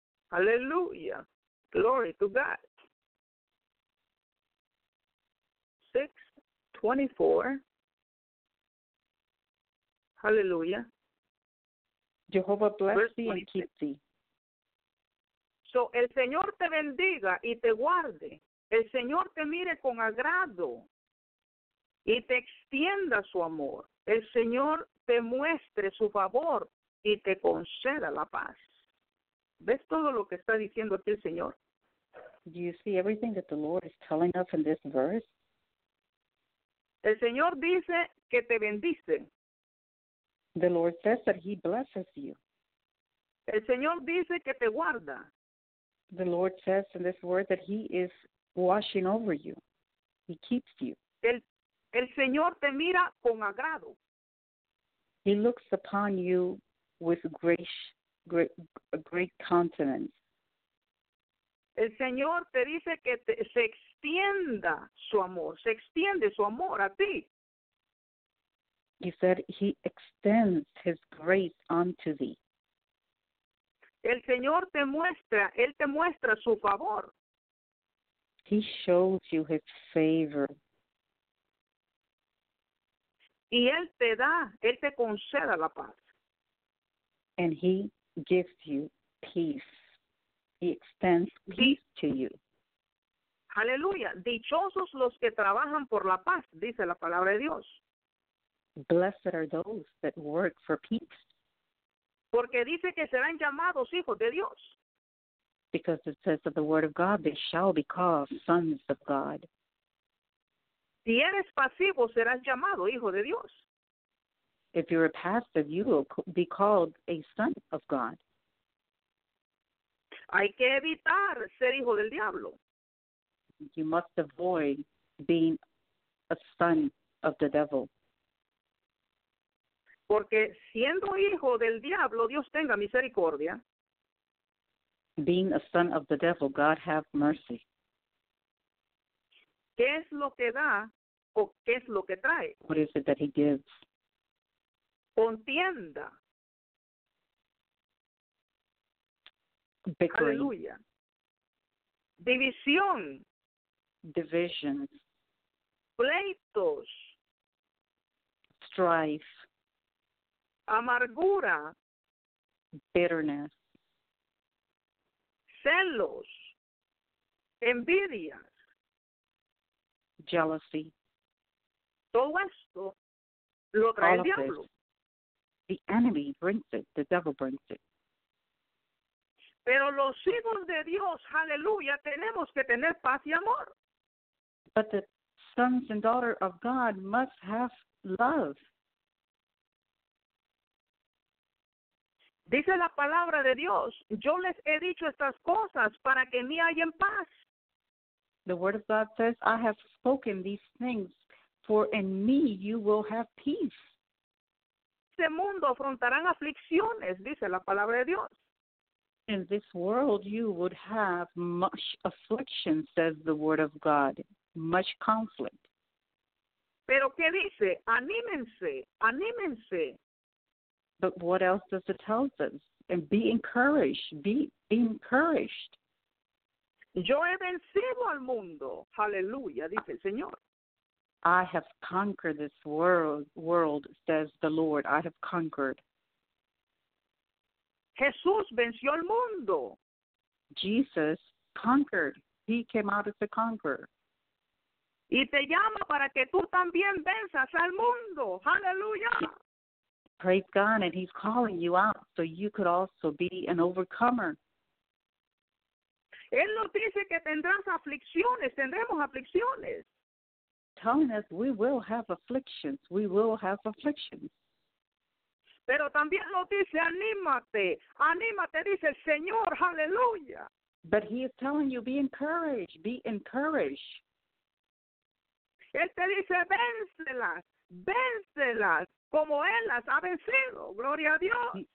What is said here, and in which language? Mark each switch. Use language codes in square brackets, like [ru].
[en] Hallelujah. Glory to God. 6:24. Hallelujah. Jehovah bless thee and keep thee. [es] So, el Señor te bendiga y te guarde. El Señor te mire con agrado y te extienda su amor. El Señor te muestre su favor y te conceda la paz. ¿Ves todo lo que está diciendo aquí el Señor? [en] Do you see everything that the Lord is telling us in this verse? [es] El Señor dice que te bendice. [en] The Lord says that he blesses you. [es] El Señor dice que te guarda. [en] The Lord says in this word that he is washing over you. He keeps you. [es] El Señor te mira con agrado. [en] He looks upon you with great countenance. [es] El Señor te dice que se extienda su amor. Se extiende su amor a ti. [en] He said he extends his grace unto thee. [es] El Señor te muestra, Él te muestra su favor. [en] He shows you his favor. [es] Y Él te da, Él te conceda la paz. [en] And he gives you peace. He extends peace to you. [es] Aleluya. Dichosos los que trabajan por la paz, dice la palabra de Dios. [en] Blessed are those that work for peace. [es] Porque dice que serán llamados hijos de Dios. [en] Because it says that the word of God, they shall be called sons of God. [es] Si eres pasivo, serás llamado hijo de Dios. [en] If you're a passive, you will be called a son of God. [es] Hay que evitar ser hijo del diablo. [en] You must avoid being a son of the devil. [es] Porque siendo hijo del diablo, Dios tenga misericordia. [en] Being a son of the devil, God have mercy. [es] ¿Qué es lo que da o qué es lo que trae? [en] What is it that he gives? [es] Contienda. [en] Bickering. [es] Aleluya. División. [en] Division. [es] Pleitos. [en] Strife. [es] Amargura. [en] Bitterness. [es] Celos. Envidias. [en] Jealousy. [es] Todo esto lo trae el diablo. [en] The enemy brings it. The devil brings it. [es] Pero los hijos de Dios, aleluya, tenemos que tener paz y amor. [en] But the sons and daughters of God must have love. [es] Dice la palabra de Dios, yo les he dicho estas cosas para que en mí hayan paz. [en] The word of God says, I have spoken these things, for in me you will have peace. [es] Este mundo afrontarán aflicciones, dice la palabra de Dios. [en] In this world you would have much affliction, says the word of God, much conflict. [es] Pero ¿qué dice? Anímense, anímense. [en] But what else does it tell us? And be encouraged, be encouraged. [es] Yo he vencido al mundo, aleluya, dice el Señor. [en] I have conquered this world, says the Lord. I have conquered. [es] Jesús venció al mundo. [en] Jesus conquered. He came out as a conqueror. [es] Y te llama para que tú también venzas al mundo, aleluya. [en] Praise God, and he's calling you out so you could also be an overcomer. [es] Él nos dice que tendrás aflicciones, tendremos aflicciones. [en] Telling us we will have afflictions, we will have afflictions. [es] Pero también nos dice, anímate, anímate, dice el Señor, aleluya. [en] But he is telling you, be encouraged, be encouraged. [es] Él te dice, vénselas, vénselas, como él las ha vencido, gloria a Dios.